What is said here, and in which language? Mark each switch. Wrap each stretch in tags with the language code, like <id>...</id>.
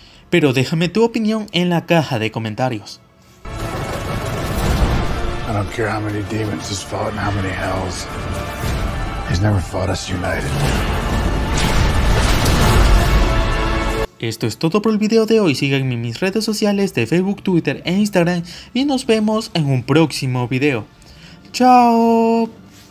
<es>Pero déjame tu opinión en la caja de comentarios.</es> <en>I don't care how many demons he's fought and how many hells. He's never fought us united.</en> <es>Esto es todo por el video de hoy. Síganme en mis redes sociales de Facebook, Twitter e Instagram y nos vemos en un próximo video. ¡Chao!</es>